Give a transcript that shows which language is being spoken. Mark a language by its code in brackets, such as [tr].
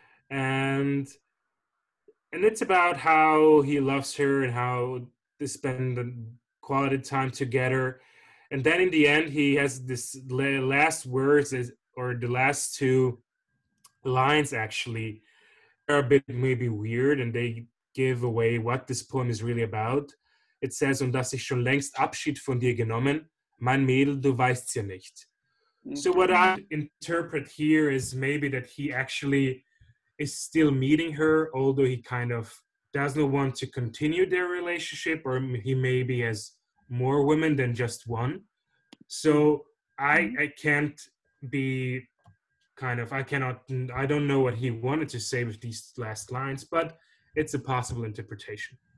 [en] And it's about how he loves her and how they spend quality time together. And then in the end, he has this last words, or the last two lines actually are a bit maybe weird, and they give away what this poem is really about. It says, [de] und dass ich schon längst Abschied von dir genommen, mein Mädel, du weißt ja nicht. [en] So what I interpret here is maybe that he actually is still meeting her, although he kind of does not want to continue their relationship, or he maybe has more women than just one. So I don't know what he wanted to say with these last lines, but it's a possible interpretation.